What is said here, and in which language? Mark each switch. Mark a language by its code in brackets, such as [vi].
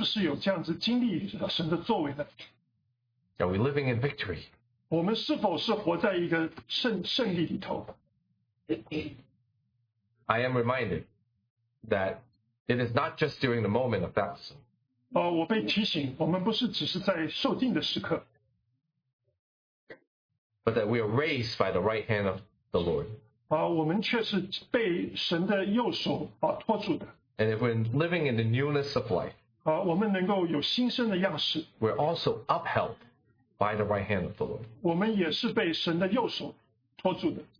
[zh] 我们从实际方面，我们是不是有这样子经历神的作为呢？ [en] Are we living in victory? [zh] 我们是否是活在一个胜利里头？ [en] I am reminded that it is not just during the moment of baptism. [zh] 我被提醒，我们不是只是在受定的时刻。 [en] But that we are raised by the right hand of the Lord. And if we're living in the newness of life, we're also upheld by the right hand of the Lord.